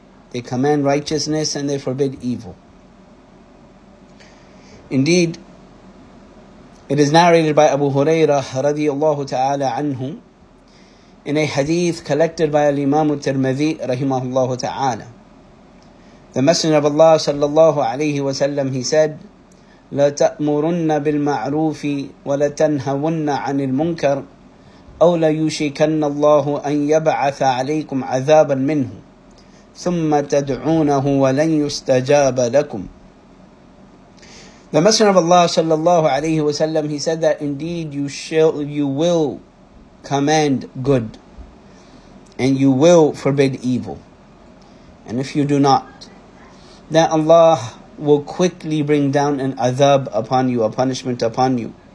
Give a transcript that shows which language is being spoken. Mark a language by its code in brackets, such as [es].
[en] They command righteousness and they forbid evil. Indeed, it is narrated by Abu Hurairah radiallahu ta'ala anhu in a hadith collected by Al-Imam al-Tirmidhi rahimahullahu ta'ala. The Messenger of Allah sallallahu alayhi wa sallam, he said, [ar] لَتَأْمُرُنَّ بِالْمَعْرُوفِ وَلَتَنْهَوُنَّ عَنِ الْمُنْكَرِ أَوْ لَيُشِكَنَّ اللَّهُ أَنْ يَبْعَثَ عَلَيْكُمْ عَذَابًا مِّنْهُ ثُمَّ تَدْعُونَهُ وَلَنْ يُسْتَجَابَ لَكُمْ. [en] The Messenger of Allah sallallahu alayhi wa sallam, he said that indeed you will command good and you will forbid evil. And if you do not, then Allah will quickly bring down an azab upon you, a punishment upon you.